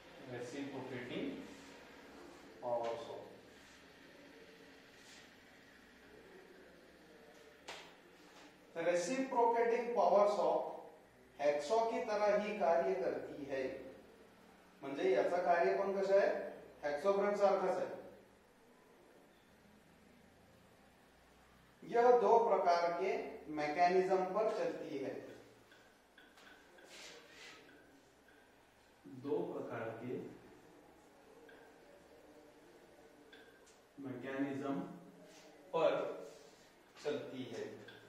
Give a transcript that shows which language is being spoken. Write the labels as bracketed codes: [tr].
[en] Reciprocating power saw. [hi] तर reciprocating power saw हॅक्सॉ की तरह ही कार्य करती है. [mr] म्हणजे याचा कार्य पण कसं आहे, हॅक्सोग्रेन सारखाच आहे. [hi] यह दो प्रकार के मैकेनिज्म पर चलती है. दो प्रकार के मैकेनिज्म पर चलती है.